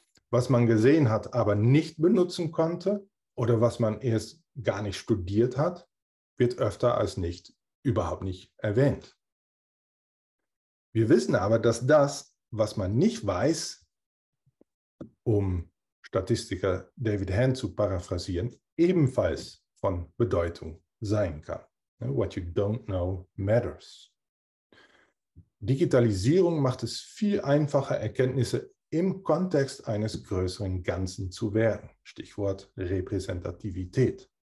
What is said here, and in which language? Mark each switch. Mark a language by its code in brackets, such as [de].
[de] Was man gesehen hat, aber nicht benutzen konnte oder was man erst gar nicht studiert hat, wird öfter als nicht überhaupt nicht erwähnt. Wir wissen aber, dass das, was man nicht weiß, um Statistiker David Hand zu paraphrasieren, ebenfalls von Bedeutung sein kann. [en] What you don't know matters. [de] Digitalisierung macht es viel einfacher, Erkenntnisse im Kontext eines größeren Ganzen zu werten. Stichwort Repräsentativität.